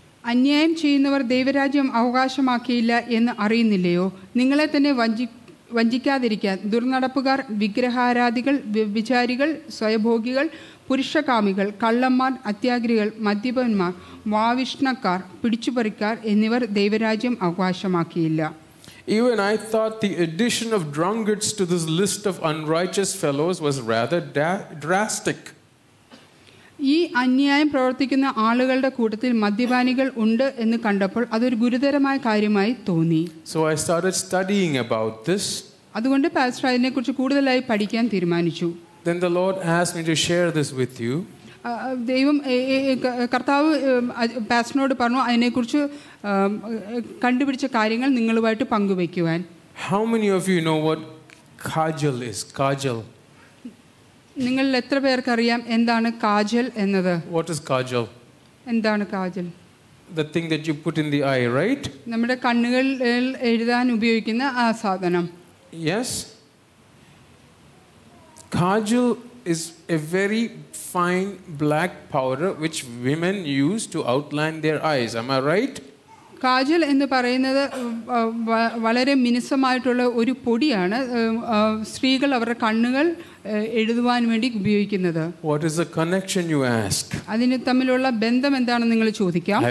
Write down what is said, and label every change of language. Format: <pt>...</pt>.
<ml>അന്യായം ചെയ്യുന്നവർ ദൈവരാജ്യം അവകാശമാക്കിയില്ല എന്ന് അറിയുന്നില്ലയോ? നിങ്ങളെ തന്നെ വഞ്ചിക്കാതിരിക്കാൻ ദുർനടപ്പുകാർ, വിഗ്രഹാരാധികൾ, വ്യഭിചാരികൾ, സ്വയഭോഗികൾ, പുരുഷകാമികൾ, കള്ളന്മാർ, അത്യാഗ്രികൾ, മദ്യപന്മാർ, വാവിഷ്ണക്കാർ, പിടിച്ചുപറിക്കാർ എന്നിവർ ദൈവരാജ്യം അവകാശമാക്കിയില്ല.</ml> <en>Even I thought the addition of drunkards to this list of unrighteous fellows was rather drastic.</en> <ml>ഈ അന്യായം പ്രവർത്തിക്കുന്ന ആളുകളുടെ കൂട്ടത്തിൽ മദ്യപാനികൾ ഉണ്ട് എന്ന് കണ്ടപ്പോൾ അതൊരു ഗുരുതരമായ കാര്യമായി തോന്നി.</ml> <en>So I started studying about this.</en> <ml>അതുകൊണ്ട് പാസ്റ്റർ അതിനെക്കുറിച്ച് കൂടുതലായി പഠിക്കാൻ തീരുമാനിച്ചു.</ml> <en>Then the Lord asked me to share this with you.</en> <ml>ദൈവം കർത്താവ് പാസ്റ്ററിനോട് പറഞ്ഞു അതിനെക്കുറിച്ച് കണ്ടുപിടിച്ച കാര്യങ്ങൾ നിങ്ങളുമായിട്ട് പങ്കുവെക്കുവാൻ.</ml> <en>How many of you know what kajal is? Kajal.</en> <ml>നിങ്ങൾ എത്ര പേർക്കറിയാം എന്താണ് കാജൽ എന്നത്?</ml> <en>What is kajal?</en> <ml>എന്താണ് kajal?</ml> <en>the thing that you put in the eye, right?</en> <ml>നമ്മുടെ കണ്ണുകളിൽ എഴുതാൻ ഉപയോഗിക്കുന്ന ആ സാധനം.</ml> <en>Yes. Kajal is a very fine black powder which women use to outline their eyes. Am I right?</en> <ml>Kajal എന്ന് പറയുന്നത് വളരെ മിനുസമായിട്ടുള്ള ഒരു പൊടിയാണ് സ്ത്രീകൾ അവരുടെ കണ്ണുകൾ എഴുതുവാൻ വേണ്ടി ഉപയോഗിക്കുന്നത്</ml> <en>What is the connection you ask?</en> <ml>അതിനെ തമ്മിലുള്ള ബന്ധം എന്താണെന്ന് നിങ്ങൾ ചോദിക്കാം</ml>